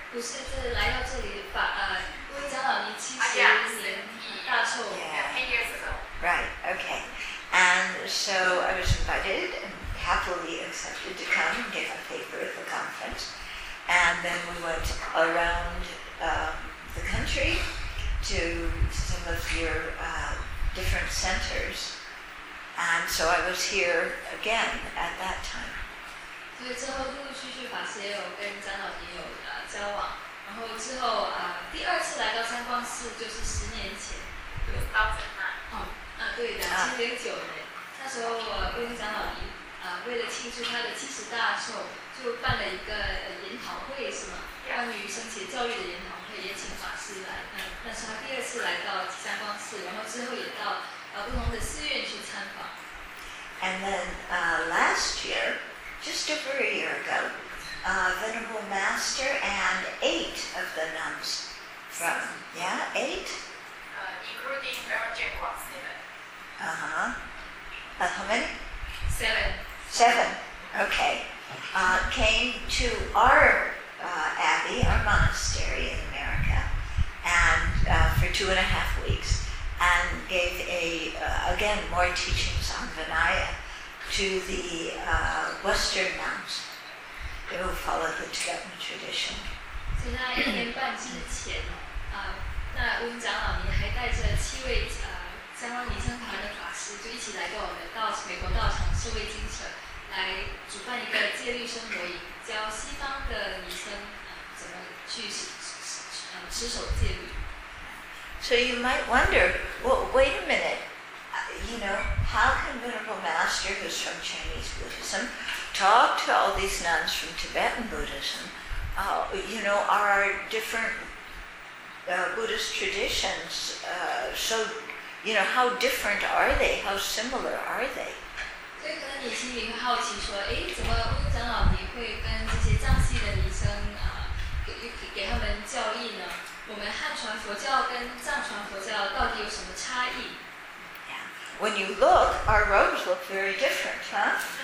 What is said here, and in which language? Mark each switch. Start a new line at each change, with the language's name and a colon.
Chinese: 不是，就是来到这里把乌云长老您70年大寿
English: 10 years ago. Right, okay. And so I was invited and happily accepted to come and give a paper at the conference. And then we went around the country to some of your different centers. And so I was here again at that time.
Chinese: 所以之后陆陆续续法师也有跟长老也有交往，然后之后第二次来到三光寺就是10年前，对的，2009年，那时候我跟长老为了庆祝他的70大寿，就办了一个研讨会，是吗？关于僧伽教育的研讨会，也请法师来。那是他第二次来到三光寺，然后之后也到不同的寺院去参访。
English: And then last year, just over a year ago, Venerable Master and 8 of the nuns from including Venerable Jack Wong, 7. How many? 7. Seven, okay, came to our abbey, our monastery in America, and for 2.5 weeks, and gave again more teachings on Vinaya to the Western nuns who follow the Tibetan tradition.
Chinese: 在那一年半之前，那乌云长老您还带着7位相关尼僧团的法师，就一起来到我们到美国道场受慰精神。来主办一个戒律生活营，教西方的尼僧怎么去持守戒律。
English: So you might wonder, well, wait a minute. You know, how can Venerable Master, who's from Chinese Buddhism, talk to all these nuns from Tibetan Buddhism? You know, are different Buddhist traditions so, you know, how different are they? How similar are they?
Chinese: 所以可能你心里会好奇说，诶，怎么慧长老你会跟这些藏系的女生啊，给他们教义呢？我们汉传佛教跟藏传佛教到底有什么差异？
English: When you look, our robes look very different, huh?